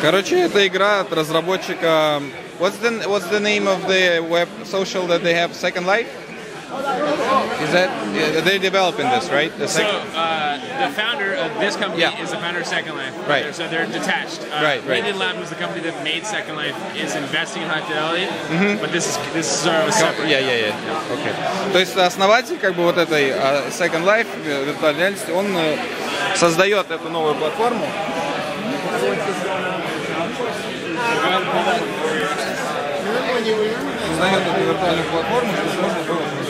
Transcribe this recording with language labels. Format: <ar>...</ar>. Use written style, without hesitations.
<ru>Короче, эта игра от разработчика.</ru> <en>What's the name of the web social that they have? Second Life. Is that they're developing this, right? The founder of this company is the founder of Second Life. Right. So they're detached. Right. Media Lab was the company that made Second Life. Is investing in high fidelity. Mm-hmm. But this is sort of a separate. Yeah. Okay.</en> <ru>То есть основатель как бы вот этой Second Life виртуальной реальности, он создает эту новую платформу. Создает эту виртуальную платформу, чтобы можно было.</ru>